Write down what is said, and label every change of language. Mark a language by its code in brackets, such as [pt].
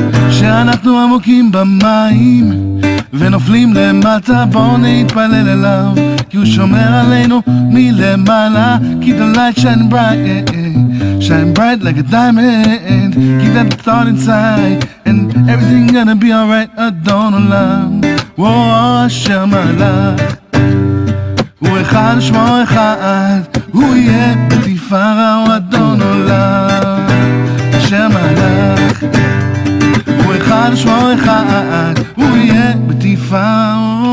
[he] שאנחנו עמוקים במים ונופלים למטה, בואו נתפלל אליו, כי הוא שומר עלינו מלמעלה. [en] Keep the light shining bright, shine bright like a diamond. Keep that thought inside, and everything gonna be alright. [he] Adon Olam, whoa, Asher Malach. הוא אחד ושמו אחד, הוא יהיה בתפארה. Adon Olam, Asher Malach. הוא אחד ושמו אחד, הוא יהיה בתפארה.